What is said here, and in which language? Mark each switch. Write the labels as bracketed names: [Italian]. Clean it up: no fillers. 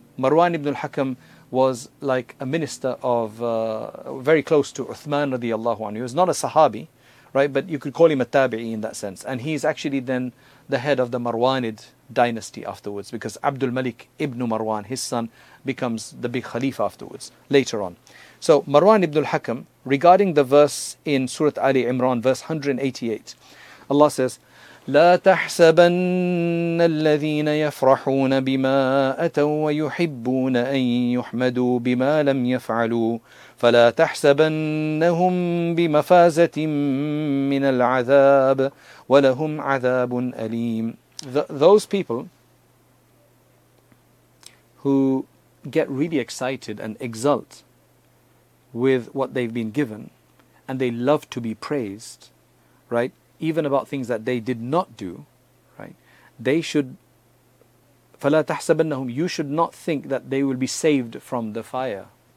[English] Marwan ibn al-Hakam was like a minister of very close to Uthman radiallahu anhu. He was not a Sahabi, right? But you could call him a Tabi'i in that sense. And he's actually then the head of the Marwanid dynasty afterwards, because Abdul Malik ibn Marwan, his son, becomes the big Khalifa afterwards, later on. So Marwan ibn al-Hakam, regarding the verse in Surah Ali Imran, verse 188, Allah says, [Arabic] لا تحسبن الذين يفرحون بما أتوا ويحبون أن يحمدوا بما لم يفعلوا فلا تحسبنهم بمفازة من العذاب ولهم عذاب أليم. [English] Those people who get really excited and exult with what they've been given, and they love to be praised, right? Even about things that they did not do, right? They should, [Arabic] فَلَا تَحْسَبَنَّهُمْ, [English] you should not think that they will be saved from the fire.